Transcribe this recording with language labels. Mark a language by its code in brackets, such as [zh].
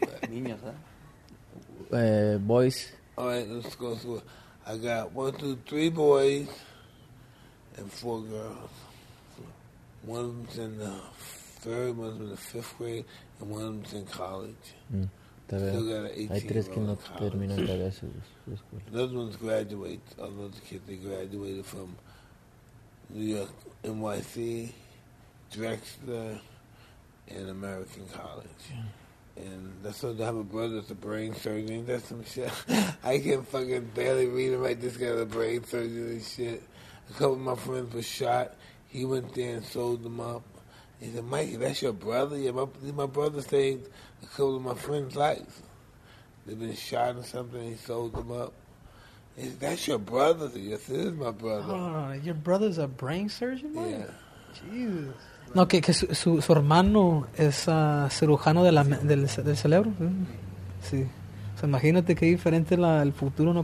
[en] Yeah. [es] Niños, [en] huh? Boys. All right, let's go to school. I got 1, 2, 3 boys and 4 girls. One of them's in the 3rd, one of them's in the 5th grade, and one of them's in college. [es] Hay tres que no terminan de su escuela. [en] Those ones graduate. All those kids, they graduated from New York, NYC, Drexler, and American College. Yeah. And that's why they have a brother that's a brain surgeon. That's some shit. I can fucking barely read and write. This guy's a brain surgeon and shit. A couple of my friends were shot. He went there and sold them up. He said, Mikey, that's your brother? Yeah, my brother saved a couple of my friends' lives. They've been shot or something, he sold them up. He said, that's your brother? Yes, it is my brother. Oh, your brother's a brain surgeon, Mike? Yeah. Jesus. [es] No, que su hermano es cirujano de del cerebro. Mm. Sí. O sea, imagínate qué diferente el futuro, ¿no?